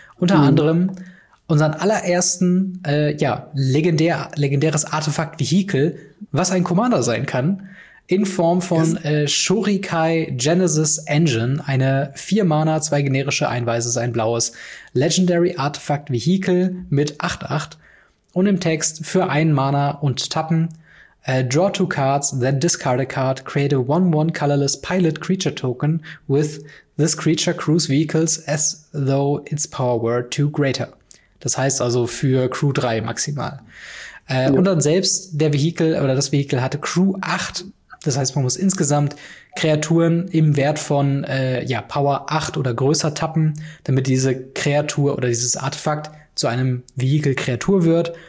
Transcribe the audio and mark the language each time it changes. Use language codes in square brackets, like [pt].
[de] Unter anderem unseren allerersten legendäres Artefakt-Vehikel, was ein Commander sein kann, in Form von Shurikai Genesis Engine, eine 4-Mana, 2 generische, ein weißes, ein blaues Legendary Artifact Vehicle mit 8-8. Und im Text, für 1 Mana und tappen, [en] draw 2 cards, then discard a card, create a 1/1 colorless pilot creature token with this creature crews vehicles as though its power were 2 greater. [de] Das heißt also für Crew 3 maximal. Und dann selbst, das Vehicle hatte Crew 8. Das heißt, man muss insgesamt Kreaturen im Wert von Power 8 oder größer tappen, damit diese Kreatur oder dieses Artefakt zu einem Vehikel-Kreatur wird.